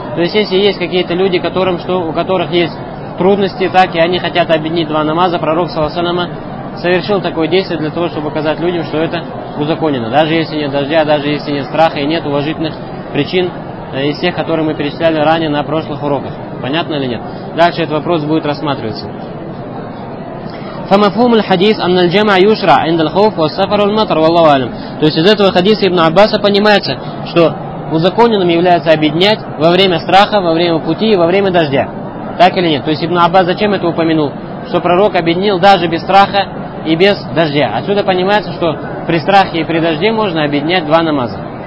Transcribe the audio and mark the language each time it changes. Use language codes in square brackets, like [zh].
[ru] То есть, если есть какие-то люди, которым, что, у которых есть трудности, так, и они хотят объединить два намаза, пророк, саллаллаху алейхи ва саллям, совершил такое действие для того, чтобы показать людям, что это узаконено. Даже если нет дождя, даже если нет страха и нет уважительных причин из тех, которые мы перечисляли ранее на прошлых уроках. Понятно или нет? Дальше этот вопрос будет рассматриваться. [ar] فمفهوم الحديث أن الجمع يشرع عند الخوف والسفر والمطر والله أعلم. [ru] То есть из этого хадиса Ибн Аббаса понимается, что узаконенным является объединять во время страха, во время пути и во время дождя. Так или нет? То есть Ибн Аббас зачем это упомянул? Что пророк объединил даже без страха и без дождя. Отсюда понимается, что при страхе и при дожде можно объединять два намаза.